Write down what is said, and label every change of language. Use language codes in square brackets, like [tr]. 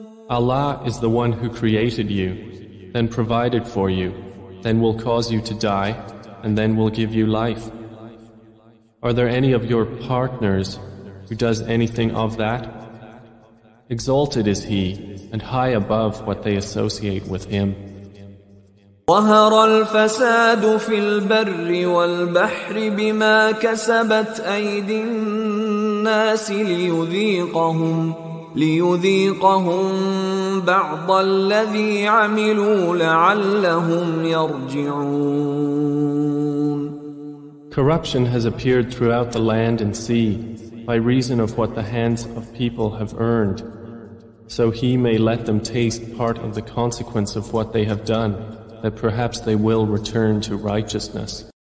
[en] Allah is the one who created you, then provided for you, then will cause you to die, and then will give you life. Are there any of your partners who does anything of that? Exalted is he, and high above what they associate with him. [ar] ظهر الفساد في البر والبحر بما كسبت أيدي الناس ليذيقهم بعض الذي عملوا لعلهم يرجعون. [en] Corruption has appeared throughout the land and sea by reason of what the hands of people have earned, so he may let them taste part of the consequence of what they have done, that perhaps they will return to righteousness.